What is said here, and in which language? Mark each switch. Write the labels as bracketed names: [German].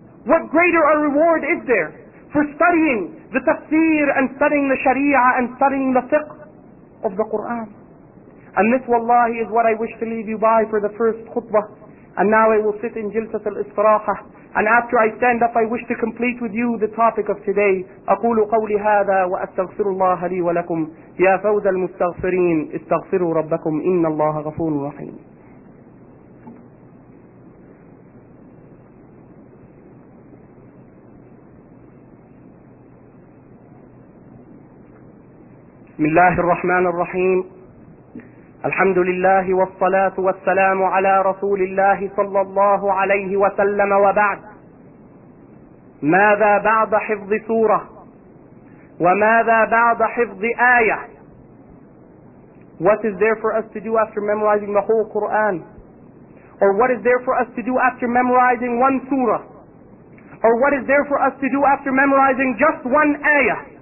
[English] What greater a reward is there for studying the tafsir and studying the sharia and studying the fiqh of the Quran? And this, wallahi, is what I wish to leave you by for the first khutbah. And now I will sit in jilsat al-istiraha. And after I stand up, I wish to complete with you the topic of today. [Arabic] أقول قولي هذا وأستغفر الله لي ولكم يا فوز المستغفرين استغفروا ربكم إن الله غفور رحيم. بسم الله الرحمن الرحيم. الحمد لله والصلاة والسلام على رسول الله صلى الله عليه وسلم وبعد. ماذا بعد حفظ سورة؟ وماذا بعد حفظ آية؟ [English] What is there for us to do after memorizing the whole Quran? Or what is there for us to do after memorizing one surah? Or what is there for us to do after memorizing just one ayah?